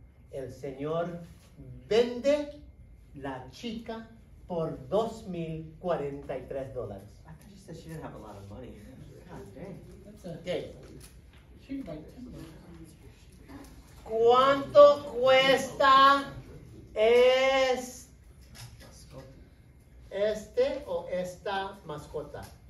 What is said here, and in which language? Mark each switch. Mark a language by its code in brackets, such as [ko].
[es] El Señor vende la chica por $2,043. [en] I thought you said she didn't have a lot of money. God dang. Okay. [es] ¿Cuánto cuesta este o esta mascota?